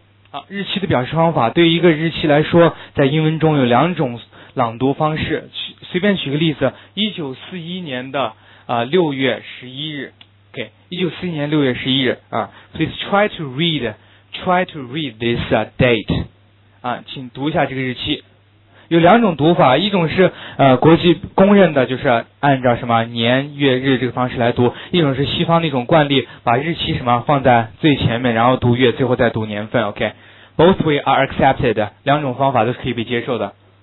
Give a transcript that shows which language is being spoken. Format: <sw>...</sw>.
<zh>好，日期的表示方法，对于一个日期来说，在英文中有两种朗读方式。随便举个例子，1941年的6月11日。 Okay, 1941年6月11日啊。</zh> <en>Please try to read this date.</en> <zh>啊，请读一下这个日期。有两种读法，一种是国际公认的，就是按照什么年月日这个方式来读；一种是西方那种惯例，把日期什么放在最前面，然后读月，最后再读年份。</zh> <en>OK, both way are accepted.</en> <zh>两种方法都是可以被接受的。</zh>